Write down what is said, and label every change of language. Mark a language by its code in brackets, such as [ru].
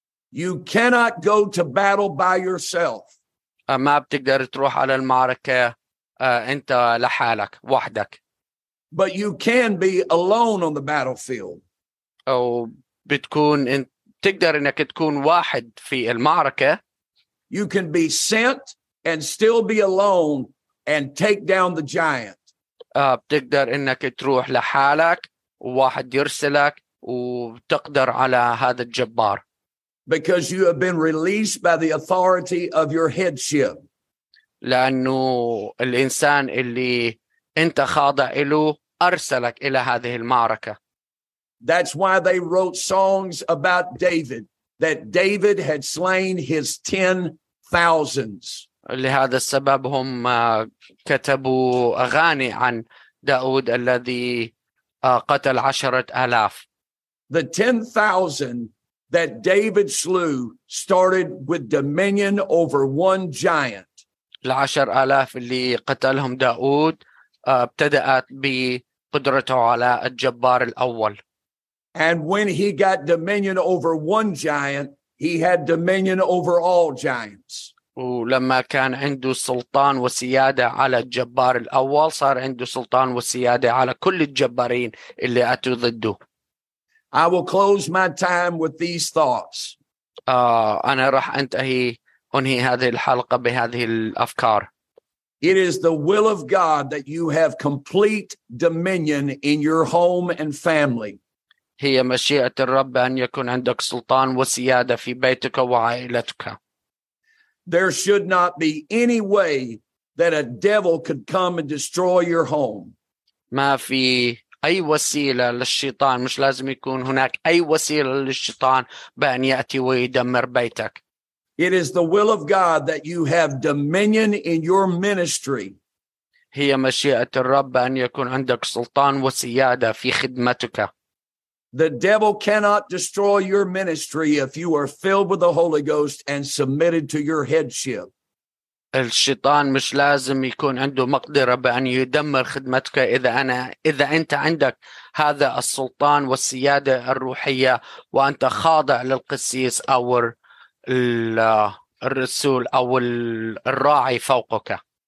[en] You cannot go to battle by yourself. [ar] ما بتقدر تروح على المعركة أنت لحالك وحدك. [en] But you can be alone on the battlefield. [ar] أو بتكون تقدر إنك تكون واحد في المعركة. [en] You can be sent and still be alone. And take down the giant. [ar] بتقدر إنك تروح لحالك وواحد يرسلك وتقدر على هذا الجبار. [en] Because you have been released by the authority of your headship. [ar] لأنه الإنسان اللي أنت خاضع له أرسلك إلى هذه المعركة. [en] That's why they wrote songs about David, that David had slain his 10,000s. [ar] لهذا السبب هم كتبوا أغاني عن داود الذي قتل 10,000. [en] The 10,000 that David slew started with dominion over one giant. [ar] العشر آلاف اللي قتلهم داود ابتدأت بقدرته على الجبار الأول. [en] And when he got dominion over one giant, he had dominion over all giants. [ar] ولما كان عنده سلطان وسيادة على الجبار الأول صار عنده سلطان وسيادة على كل الجبارين اللي أتوا ضده. [en] I will close my time with these thoughts. [ar] أنا راح أنهي هذه الحلقة بهذه الأفكار. [en] It is the will of God that you have complete dominion in your home and family. [ar] هي مشيئة الرب أن يكون عندك سلطان وسيادة في بيتك وعائلتك. [en] There should not be any way that a devil could come and destroy your home. [ar] ما في أي وسيلة للشيطان. مش لازم يكون هناك أي وسيلة للشيطان بأن يأتي ويدمر بيتك. [en] It is the will of God that you have dominion in your ministry. [ar] هي مشيئة الرب أن يكون عندك سلطان وسيادة في خدمتك. [en] The devil cannot destroy your ministry if you are filled with the Holy Ghost and submitted to your headship. [ar] الشيطان مش لازم يكون عنده مقدرة بأن يدمر خدمتك إذا أنت عندك هذا السلطان والسيادة الروحية وأنت خاضع للقسيس أو الرسول أو الراعي فوقك.